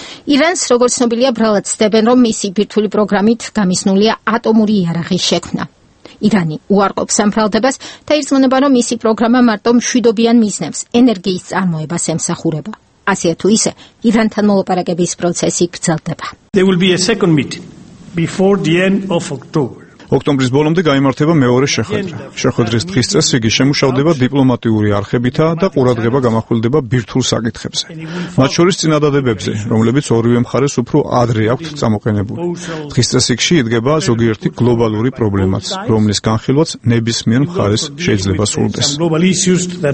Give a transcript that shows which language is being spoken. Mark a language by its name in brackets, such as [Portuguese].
[Georgian] ირანს, როგორც ცნობილია, ბრალად ცდებენ, რომ მისი ბირთვული პროგრამით გამისნულია ატომური იარაღის შექმნა. ირანი უარყოფს სამფრალდებას და ირწმუნება, რომ მისი პროგრამა მარტო მშვიდობიან მიზნებს, ენერგიის წარმოებას ემსახურება. ასე თუ ისე, ირანთან მოლაპარაკების პროცესი გრძელდება. [English] There will be a second meeting before the end of October. [Georgian] ოქტომბრის ბოლომდე გამართება მეორე შეხვედრა. შეხვედრის დღის წესრიგი შემუშავდება დიპლომატიური არხებითა და ყურადღება გამახვილდება ბირთვულ საკითხებზე. მათ შორის წინადადებებზე, რომლებიც ორივე მხარეს უფრო ადრე აქვთ წამოყენებული. დღის წესრიგში იდგება ზოგიერთი გლობალური პრობლემაც, რომლის განხილვაც ნებისმიერ მხარეს შეიძლება სრულდეს.